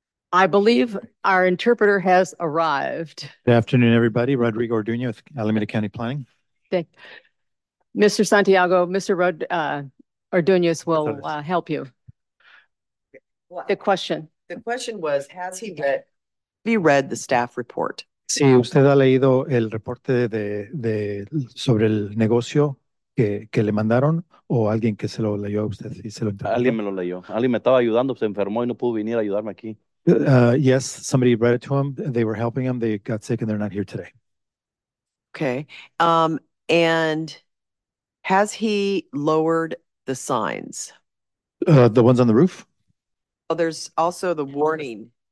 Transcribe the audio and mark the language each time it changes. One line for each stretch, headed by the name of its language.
English: I believe our interpreter has arrived. Good afternoon, everybody. Rodrigo Orduña with Alameda County Planning. Thank you. Mr. Santiago, Mr. Orduña will help you. Well, the question. The question was, have you read the staff report?
Spanish: Sí, usted ha leído el reporte de sobre el negocio. Que le mandaron o alguien que se lo leyó a usted y se lo entregó. Alguien me lo leyó. Alguien me estaba ayudando, se enfermó y no pudo venir a ayudarme aquí.
English: Yes, somebody read it to him. They were helping him. They got sick and they're not here today. Okay. And has he lowered the signs? The ones on the roof? Oh, there's also the warning.